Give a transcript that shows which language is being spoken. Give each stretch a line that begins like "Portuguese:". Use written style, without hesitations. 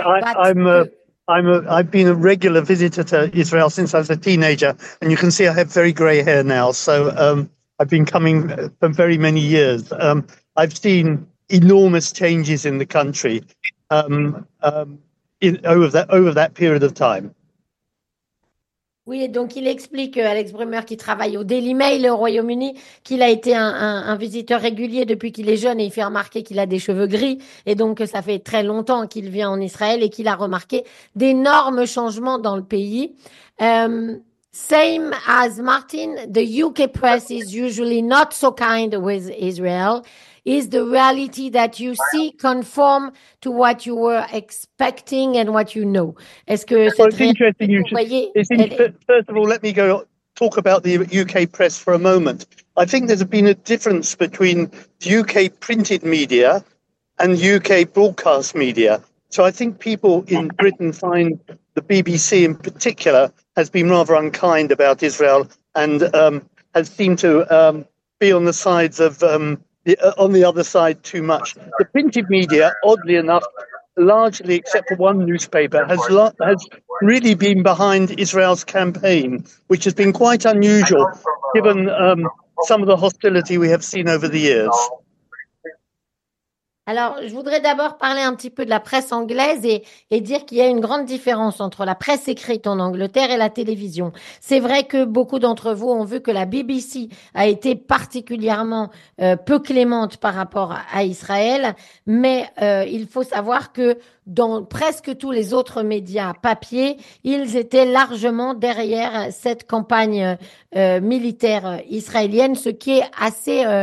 English: Yeah, I've been a regular visitor to Israel since I was a teenager, and you can see I have very grey hair now. So I've been coming for very many years. I've seen enormous changes in the country over that period of time.
French: Oui, donc il explique, Alex Brummer, qui travaille au Daily Mail au Royaume-Uni, qu'il a été un visiteur régulier depuis qu'il est jeune et il fait remarquer qu'il a des cheveux gris et donc que ça fait très longtemps qu'il vient en Israël et qu'il a remarqué d'énormes changements dans le pays.
English: Same as Martin, the UK press is usually not so kind with Israel. Is the reality that you see conform to what you were expecting and what you know?
French: Est-ce que
English: well, it's interesting. You should, it's first of all, let me go talk about the UK press for a moment. I think there's been a difference between UK printed media and UK broadcast media. So I think people in Britain find the BBC in particular has been rather unkind about Israel and has seemed to be on the sides of... on the other side too much. The printed media, oddly enough, largely except for one newspaper, has really been behind Israel's campaign, which has been quite unusual given some of the hostility we have seen over the years.
French: Alors, je voudrais d'abord parler un petit peu de la presse anglaise et dire qu'il y a une grande différence entre la presse écrite en Angleterre et la télévision. C'est vrai que beaucoup d'entre vous ont vu que la BBC a été particulièrement peu clémente par rapport à Israël, mais il faut savoir que dans presque tous les autres médias papier, ils étaient largement derrière cette campagne militaire israélienne, ce qui est assez...